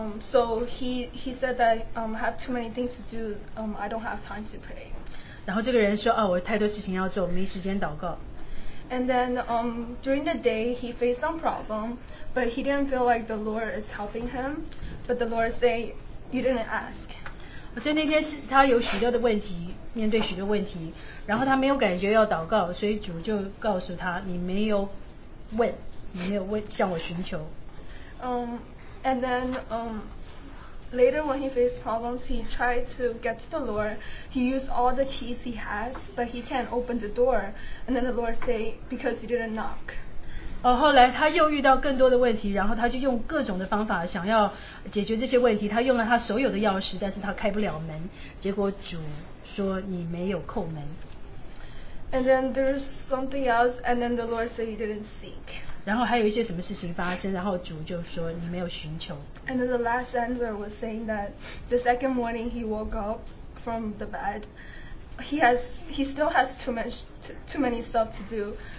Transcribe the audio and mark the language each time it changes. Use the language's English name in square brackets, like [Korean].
[English] So he said that I have too many things to do, I don't have time to pray. [Chinese] 然后这个人说，我太多事情要做，没时间祷告。 [English] And then during the day he faced some problem, but he didn't feel like the Lord is helping him. But the Lord say, "You didn't ask." [Chinese] 所以那天是他有许多的问题，面对许多问题，然后他没有感觉要祷告，所以主就告诉他，你没有问，你没有问向我寻求。 [English] And then later when he faced problems, he tried to get to the Lord. He used all the keys he has, but he can't open the door. And then the Lord say, because you didn't knock. [Chinese] 后来他又遇到更多的问题，然后他就用各种的方法想要解决这些问题，他用了他所有的钥匙，但是他开不了门，结果主说你没有叩门。 [English] And then there's something else, and then the Lord said he didn't seek. [Chinese] 然后还有一些什么事情发生，然后主就说你没有寻求。 [English] And then the last answer was saying that the second morning he woke up from the bed, he still has too many stuff to do.